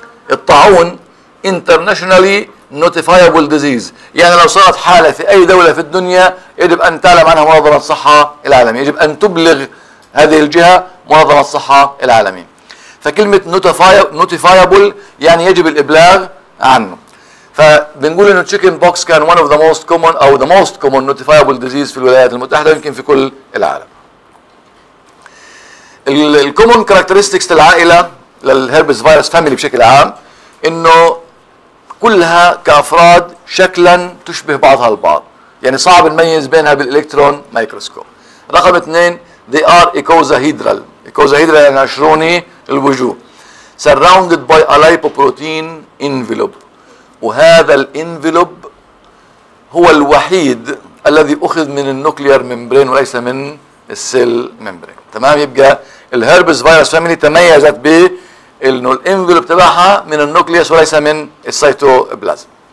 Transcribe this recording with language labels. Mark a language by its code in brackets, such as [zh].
[ar] الطاعون [en] internationally notifiable disease، [ar] يعني لو صارت حالة في أي دولة في الدنيا يجب أن تعلم عنها منظمة الصحة العالمية، يجب أن تبلغ هذه الجهة منظمة الصحة العالمية. فكلمة notifiable يعني يجب الإبلاغ عنه. فبنقول إنه chicken pox كان [en] one of the most common [ar] أو [en] the most common notifiable disease [ar] في الولايات المتحدة، يمكن في كل العالم. ال [en] common characteristics [ar] للعائلة للهربس فيروس فاميلي بشكل عام إنه كلها كأفراد شكلا تشبه بعضها البعض، يعني صعب نميز بينها بالإلكترون مايكروسكوب. رقم 2 [en] they are icosahedral. [ar] icosahedral يعني عشروني الوجوه. [en] surrounded by a lipoprotein envelope، [ar] وهذا الانفلوب هو الوحيد الذي أخذ من النوكليار ممبرين وليس من السيل ممبرين. تمام، يبقى الهربس فيروس فاميلي تميزت به انه الانفلوب تبعها من النوكليوس وليس من السيتوبلازم.